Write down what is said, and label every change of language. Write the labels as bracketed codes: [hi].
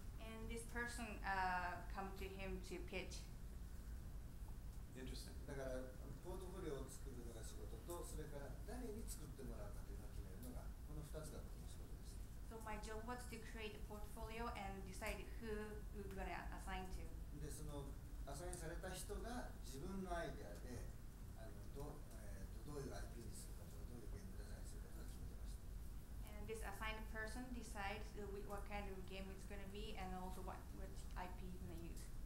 [en] And this person, come to him to pitch. Interesting. [ja] だから、ポートフォリオを作るのが仕事と、それから誰に作ってもらうかというのを決めるのが、この2つが僕の仕事です。 [en] So my job was to create a portfolio and decide who we're going to assign to. [ja] で、その、アサインされた人が自分のアイデアで、どういう IP にするか、どういうゲームデザインするかと決めてました。 [en] And this assigned person decides what kind of game it's going to be and also what IP you're going to use.